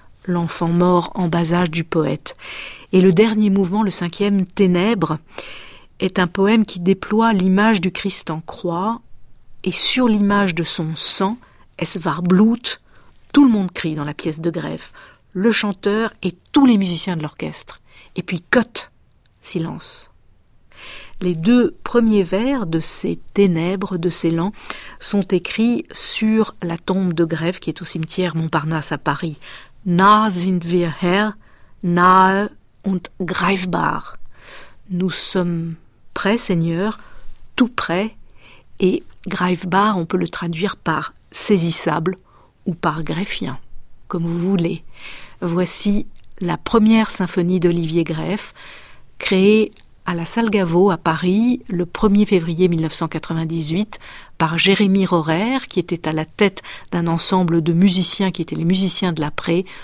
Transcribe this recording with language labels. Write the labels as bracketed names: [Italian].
[French] l'enfant mort en bas âge du poète. Et le dernier mouvement, le cinquième, Ténèbres, est un poème qui déploie l'image du Christ en croix et sur l'image de son sang, [German] es war Blut, [French] tout le monde crie dans la pièce de Greff, le chanteur et tous les musiciens de l'orchestre. Et puis cut, silence. Les deux premiers vers de ces Ténèbres, de ces Lents, sont écrits sur la tombe de Greff qui est au cimetière Montparnasse à Paris. [German] Nah sind wir her, nahe und greifbar. [French] Nous sommes prêts, Seigneur, tout prêts, et greifbar, on peut le traduire par saisissable ou par greffien, comme vous voulez. Voici la première symphonie d'Olivier Greff, créée à la Salle Gaveau à Paris le 1er février 1998 par Jérémy Rorer, qui était à la tête d'un ensemble de musiciens qui étaient les musiciens de l'après.